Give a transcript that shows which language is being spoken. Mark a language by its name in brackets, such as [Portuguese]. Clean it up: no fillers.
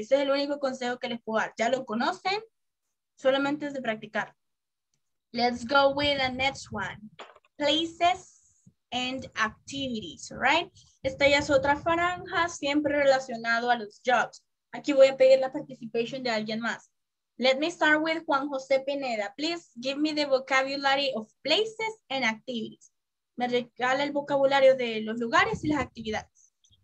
[Spanish] Ese es el único consejo que les puedo dar. Ya lo conocen, solamente es de practicar. [English] Let's go with the next one. Places and activities, right? [Spanish] Esta ya es otra franja, siempre relacionado a los jobs. Aquí voy a pedir la participación de alguien más. [English] Let me start with Juan José Pineda. Please give me the vocabulary of places and activities. [Spanish] Me regala el vocabulario de los lugares y las actividades.